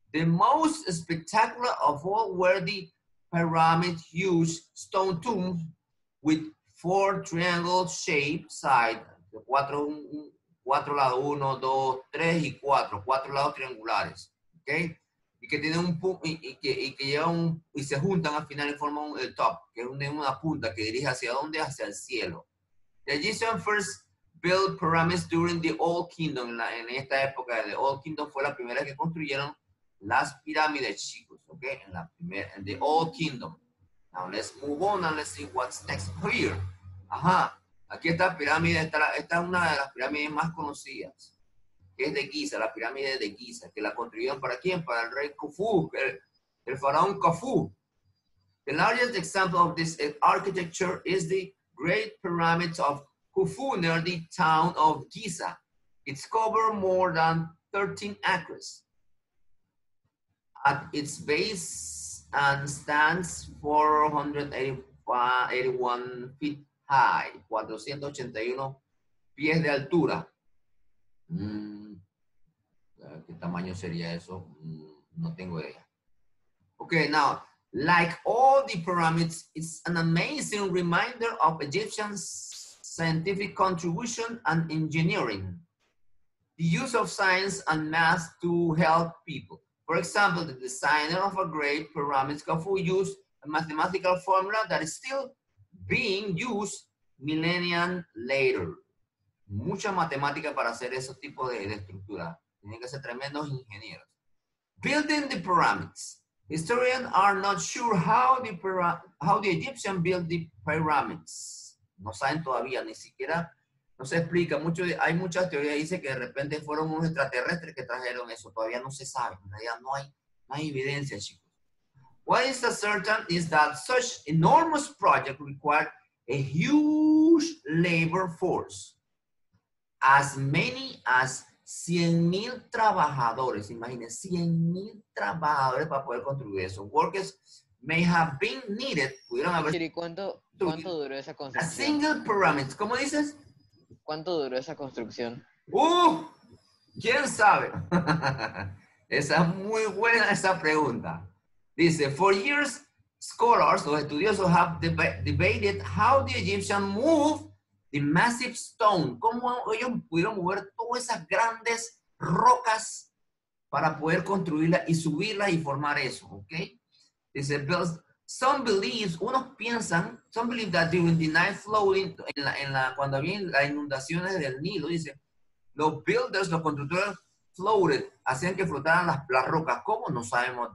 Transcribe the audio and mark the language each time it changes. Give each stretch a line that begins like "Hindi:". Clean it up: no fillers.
English: The most spectacular of all were the pyramid huge stone tombs with four triangle shaped side,
Spanish: cuatro lados, uno, dos, tres y cuatro lados triangulares, okay, y que tienen un y que llevan un, y se juntan al final y forman el top, que es una punta que dirige hacia dónde, hacia el cielo.
English: The Egyptians first built pyramids during the Old Kingdom.
Spanish: En esta época de Old Kingdom fue la primera que construyeron las pirámides, chicos, okay, en la primera, en the Old Kingdom.
English: Now let's move on and let's see what's next here.
Spanish: Ajá, aquí está la pirámide, esta es una de las pirámides más conocidas, que es de Giza, la pirámide de Giza, que la construyeron para quién, para el rey Khufu, el faraón Khufu.
English: The largest example of this architecture is the Great Pyramid of Khufu near the town of Giza. It's covered more than 13 acres. At its base, and stands 481 feet high,
Spanish: 481 pies de altura. ¿Qué tamaño sería eso? No tengo idea.
English: Okay, now, like all the pyramids, it's an amazing reminder of Egyptian scientific contribution and engineering. The use of science and math to help people. For example, the designer of a great pyramid, Khufu, used a mathematical formula that is still being used millennia later.
Spanish: Mucha matemática para hacer ese tipo de estructura. Tienen que ser tremendos ingenieros.
English: Building the pyramids. Historians are not sure how the Egyptians built the pyramids.
Spanish: No saben todavía, ni siquiera. No se explica, hay muchas teorías que dicen que de repente fueron unos extraterrestres que trajeron eso. Todavía no se sabe, en realidad no hay evidencia, chicos.
English: What is certain is that such enormous project required a huge labor force. As many as 100,000 trabajadores.
Spanish: Imagínense, 100,000 trabajadores para poder construir eso.
English: Workers may have been needed.
Spanish: ¿Pudieron haber? ¿Cuánto duró esa construcción?
English: A single pyramid,
Spanish: ¿cómo dices? ¿Cuánto duró esa construcción? ¿Quién sabe? Esa es muy buena esa pregunta. Dice,
English: for years, scholars,
Spanish: los estudiosos,
English: have debated how the Egyptians moved the massive stone.
Spanish: ¿Cómo ellos pudieron mover todas esas grandes rocas para poder construirla y subirla y formar eso? Okay. Dice, some believe, unos piensan,
English: some believe that during the Nile flooding,
Spanish: cuando había las inundaciones del Nilo, dice, los builders, los constructores, floated, hacían que flotaran las rocas. ¿Cómo? No sabemos.